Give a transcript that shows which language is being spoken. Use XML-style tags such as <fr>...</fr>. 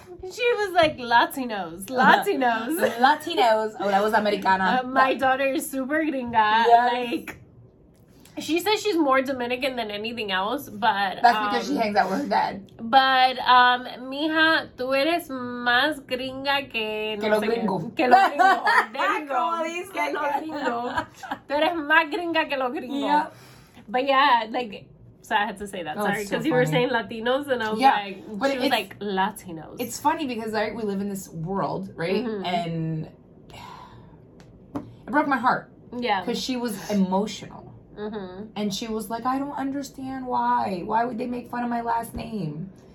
<en>She was like, Latinos, Latinos. Latinos. Oh, that was Americana. My daughter is super gringa. Yes. Like, she says she's more Dominican than anything else, but... That's because she hangs out with her dad.</en> <es>But, mija, tú eres más gringa que... Que lo gringo. Que lo gringo.</es> <en>There you go.</en> <es>Que lo gringo. Tú eres más gringa que lo gringo.</es> <en>Yeah. But yeah, like... So I had to say that. Sorry, because so you were saying Latinos, and I was, yeah, like... But she was like, Latinos. It's funny because, right, we live in this world, right? Mm-hmm. And it broke my heart. Yeah. Because she was emotional. Mm-hmm. And she was like, I don't understand why. Why would they make fun of my last name?</en>